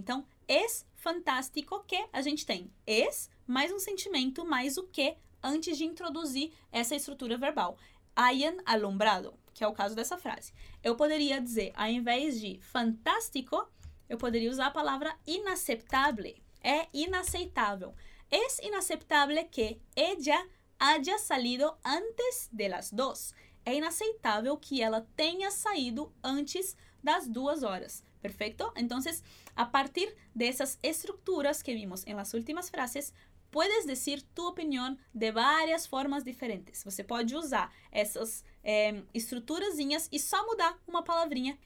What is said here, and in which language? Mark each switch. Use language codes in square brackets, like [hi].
[pt] Então, es fantástico que a gente tem es mais um sentimento mais o que antes de introduzir essa estrutura verbal. Hayan alumbrado, que é o caso dessa frase. Eu poderia dizer, ao invés de fantástico, eu poderia usar a palavra inaceptável. É inaceitável. [es] Es inaceptable que ella haya salido antes de las dos. [pt] É inaceitável que ela tenha saído antes das duas horas. Perfeito? Então, a partir dessas estruturas que vimos em [es] las últimas frases, puedes decir [pt] tu opinião de várias formas diferentes. Você pode usar essas estruturazinhas e só mudar uma palavrinha.